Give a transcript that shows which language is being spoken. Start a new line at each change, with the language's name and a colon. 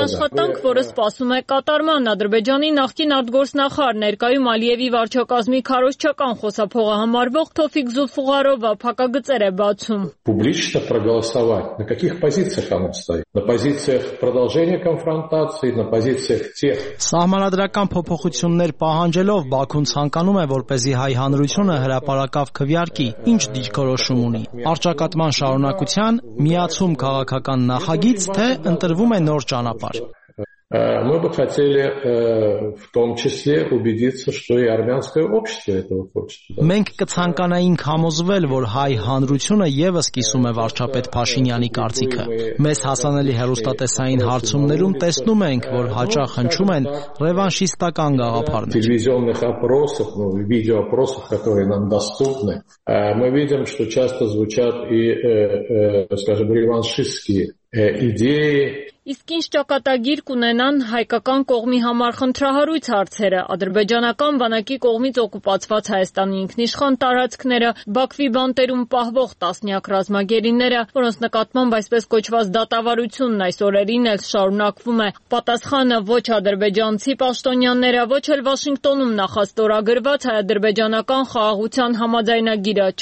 Armenian: աշխատանք, որը սպասում է կատարման, Ադրբեջանի նախկին արտգործնախարար, ներկայում Ալիևի վարչակազմի քարոզչական խոսափողը համարվող Թոֆիկ Զուլֆուղարովը փակագծեր է բացում։
Russian: На каких позициях оно стоит? На позициях продолжения конфронтации, на позициях тех.
Armenian: Սահմանադրական փոփոխություններ պահանջելով Բաքուն ցանկանում է, որպեսզի հայ հանրությունը հրապարակավ քվյարկի, ինչ դիրքորոշում ունի։ Արճակատման շարունակության միացում քաղաքական նախագիծ, թե ընտրվում է նոր ճանապար։
Russian: Мы бы хотели в том числе убедиться, что и армянское общество этого хочет.
Armenian: Մենք կցանկանայինք համոզվել, որ հայ հանրությունը ևս սկսում է վարչապետ Փաշինյանի կարծիքը։ Մեզ հասանելի հեռուստատեսային հարցումներում տեսնում ենք, որ հաճախ հնչում են ռևանշիստական գաղափարներ։
Russian: Телевизионных опросов, ну, видеоопросов, которые нам доступны, мы видим, что часто звучат и, скажем, реваншистские идеи.
Armenian: Իսկ ինչ ճակատագիր կունենան հայկական կողմի համար խնդրահարույց հարցերը, ադրբեջանական բանակի կողմից օկուպացված Հայաստանի ինքնիշխան տարածքները, Բաքվի բանտերում պահվող տասնյակ ռազմագերիները, որոնց նկատմամբ այսպես կոչված դատավարությունն այս օրերին էլ շարունակվում է, պատասխանը ոչ ադրբեջանցի պաշտոնյանները, ոչ էլ Վաշինգտոնում նախաստորագրված հայ-ադրբեջանական խաղաղության համաձայնագիրը